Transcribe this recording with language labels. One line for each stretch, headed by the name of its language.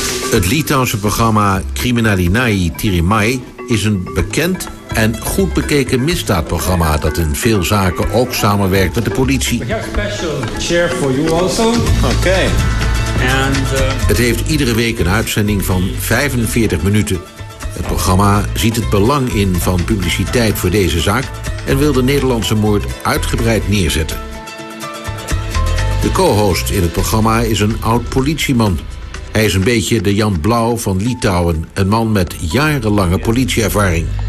Dutch: Het Litouwse programma Kriminalinai Tirimai is een bekend en goed bekeken misdaadprogramma dat in veel zaken ook samenwerkt met de politie.
English: We have a special chair for you also. Okay.
Dutch: Het heeft iedere week een uitzending van 45 minuten. Het programma ziet het belang in van publiciteit voor deze zaak en wil de Nederlandse moord uitgebreid neerzetten. De co-host in het programma is een oud politieman. Hij is een beetje de Jan Blauw van Litouwen, een man met jarenlange politieervaring.